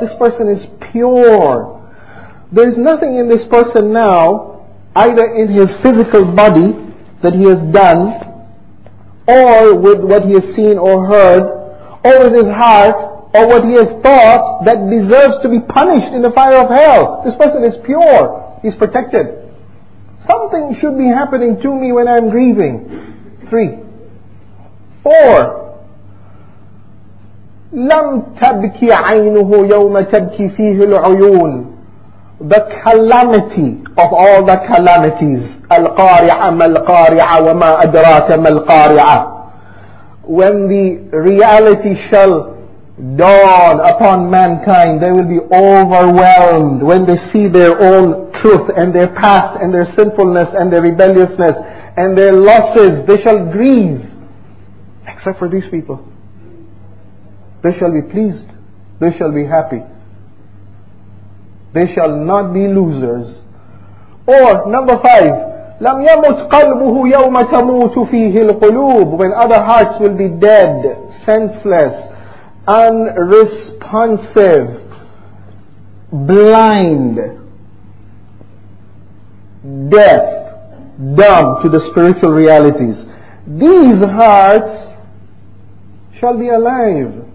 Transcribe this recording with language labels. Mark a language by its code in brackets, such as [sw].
[en] This person is pure. There is nothing in this person now, either in his physical body that he has done, or with what he has seen or heard, or with his heart, or what he has thought, that deserves to be punished in the fire of hell. This person is pure. He's protected. Something should be happening to me when I'm grieving. Three. Four. [ar] لم تبكي عينه يوم تبكي فيه العيون. [en] The calamity of all the calamities. [ar] القارعة ما القارعة وما أدراك ما القارعة. [en] When the reality shall dawn upon mankind, they will be overwhelmed when they see their own truth and their past and their sinfulness and their rebelliousness and their losses. They shall grieve. Except for these people. They shall be pleased. They shall be happy. They shall not be losers. Or number 5, [ar] لَمْ يَمُتْ قَلْبُهُ يَوْمَ تَمُوتُ فِيهِ الْقُلُوبُ. [en] When other hearts will be dead, senseless, unresponsive, blind, deaf, dumb to the spiritual realities. These hearts shall be alive.